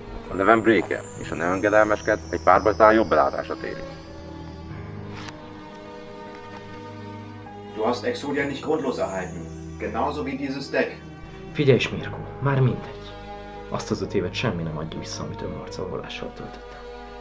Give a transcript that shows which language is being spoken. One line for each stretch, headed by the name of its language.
Hungarian: A nevem Breaker, és ha ne engedelmesked, egy párbajtán jobb belátásra térünk.
German: Du hast Exodia nicht grundlos erhalten. Genauso wie dieses Deck.
Hungarian: Figyelj, Smirko, már mindegy. Azt az öt évet semmi nem adja vissza, amit önmarcolással töltöttem.